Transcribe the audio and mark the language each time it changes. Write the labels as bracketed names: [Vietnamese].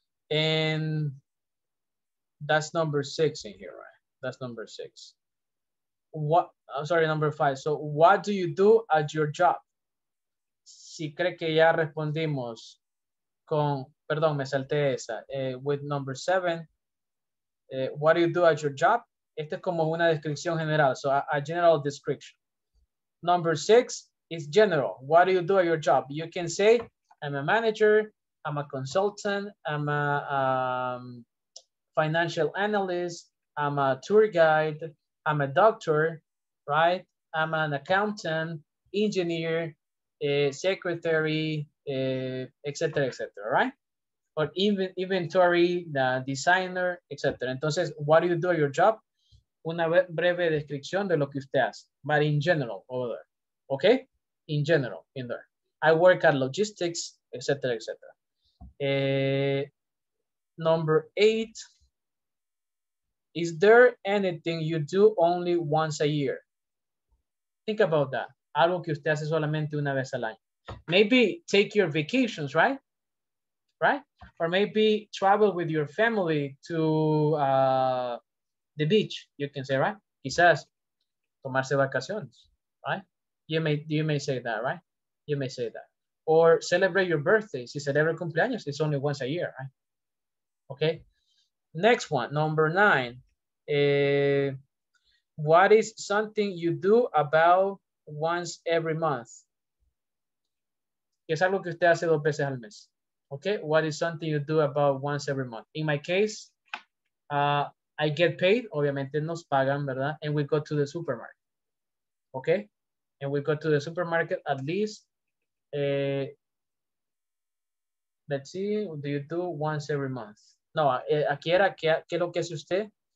[English] And that's number six in here, right? That's number six. What? I'm sorry, number five. So what do you do at your job? [Spanish] Si cree que ya respondimos con, perdón, me salté esa. [English] With number seven, what do you do at your job? [Spanish] Este es como una descripción general, [English] so a general description. Number six is general. What do you do at your job? You can say, I'm a manager, I'm a consultant, I'm a financial analyst, I'm a tour guide, I'm a doctor, right? I'm an accountant, engineer, secretary, etc., etc., right? Or inventory, designer, etc. Entonces, what do you do at your job? [Spanish] Una breve descripción de lo que usted hace, [English] but in general, over there. Okay? In general, in there. I work at logistics, et cetera, et cetera. Number eight, is there anything you do only once a year? Think about that. [Spanish] Algo que usted hace solamente una vez al año. [English] Maybe take your vacations, right? Right? Or maybe travel with your family to the beach, you can say, right? [Spanish] Quizás tomarse vacaciones, [English] right? You may say that, right? You may say that. Or celebrate your birthday. [Spanish] Si celebra cumpleaños, [English] it's only once a year, right? Okay. Next one, number nine. What is something you do about once every month? [Spanish] Es algo que usted hace dos veces al mes. [English] Okay. What is something you do about once every month? In my case, I get paid, [Spanish] obviamente nos pagan, ¿verdad? [English] And we go to the supermarket, okay? And we go to the supermarket at least, let's see, do you do once every month? [Spanish] No, aquí era, ¿qué lo que hace usted?